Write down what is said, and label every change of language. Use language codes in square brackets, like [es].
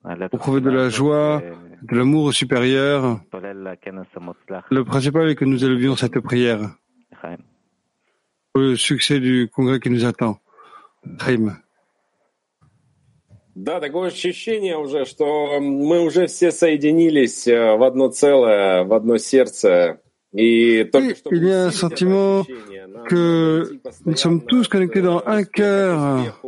[fr] Pour trouver de la joie, de l'amour au supérieur. Le principal est que nous élevions cette prière. Pour le succès du congrès qui nous attend. Chaim. [ru] Да, такое ощущение уже, что мы уже все соединились в одно целое, в одно сердце. [fr] Il y a un sentiment que nous sommes tous connectés dans un cœur.